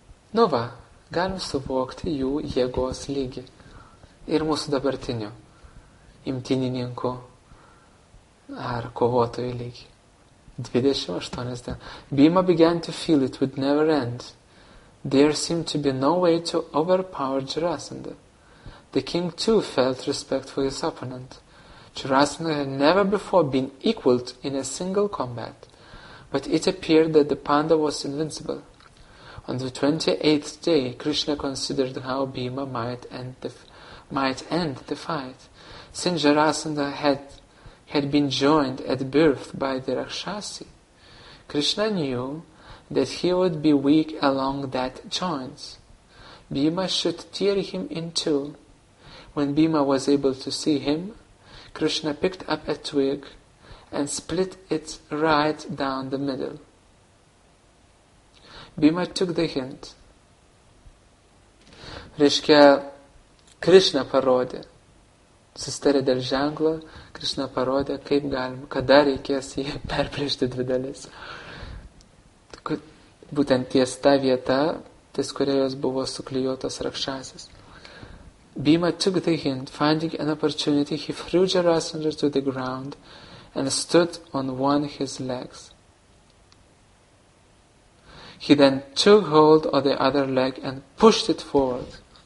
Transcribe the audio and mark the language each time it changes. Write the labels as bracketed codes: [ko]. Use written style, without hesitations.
[lt] Nu va, galim suvokti jų jėgos lygį ir mūsų dabartinių imtynininkų ar kovotojų lygį. 28 dienų. [en] Bhima began to feel it would never end. There seemed to be no way to overpower Jarasandha. The king too felt respect for his opponent. Jarasandha had never before been equaled in a single combat, but it appeared that the Panda was invincible. On the 28th day, Krishna considered how Bhima might end the fight. Since Jarasandha had been joined at birth by the Rakshasi, Krishna knew that he would be weak along that joint. Bhima should tear him in two. When Bhima was able to see him, Krishna picked up a twig and split it right down the middle. Bhima took the hint. [lt] Reiškia, Krishna parodė. Susitarė dėl ženklo, Krishna parodė, kaip galima, kada reikės jį perplėšti dvi dalis. Būtent ties ta vieta, ties kurios buvo suklijuotos rakšasis. [en] Bhima took the hint, finding an opportunity, he threw Jarasandha to the ground and stood on one of his legs. He then took hold of the other leg and pushed it forward.